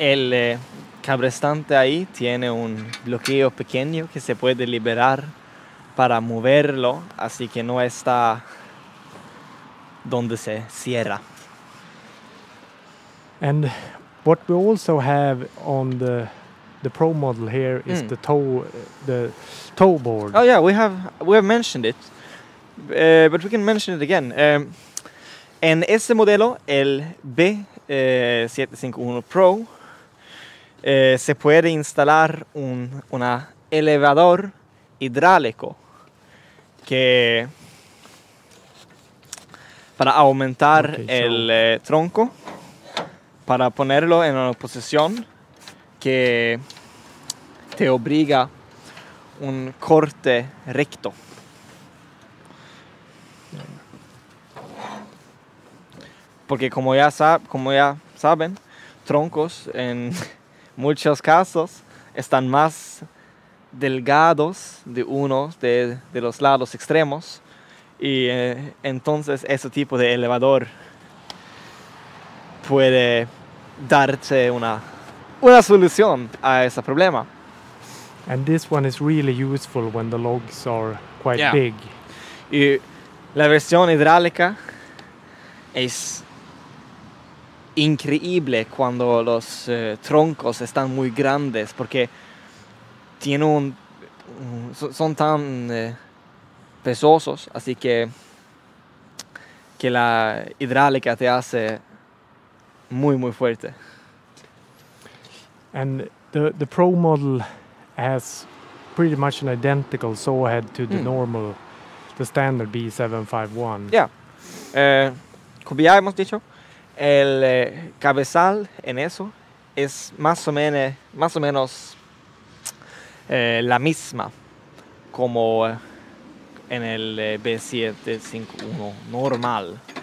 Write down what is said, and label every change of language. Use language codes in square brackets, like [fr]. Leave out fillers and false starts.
[es] El cabrestante ahí tiene un bloqueo pequeño que se puede liberar para moverlo, así que no está donde se cierra. [en] And what we also have on the pro model here is the tow board. Oh yeah, we have mentioned it, but we can mention it again. [es] En ese modelo, el B751 Pro, se puede instalar un elevador hidráulico que para aumentar el tronco. Para ponerlo en una posición que te obliga un corte recto. Porque como ya saben, troncos en muchos casos están más delgados de uno de los lados extremos. Y entonces ese tipo de elevador puede darte una solución a ese problema. [en] And this one is really useful when the logs are quite big. [es] Y la versión hidráulica es increíble cuando los troncos están muy grandes porque tiene un son tan pesosos, así que la hidráulica te hace muy muy fuerte. [en] And the pro model has pretty much an identical saw head to the standard B751. Yeah. [es] Como ya hemos dicho, el cabezal en eso es más o menos la misma como en el B751 normal.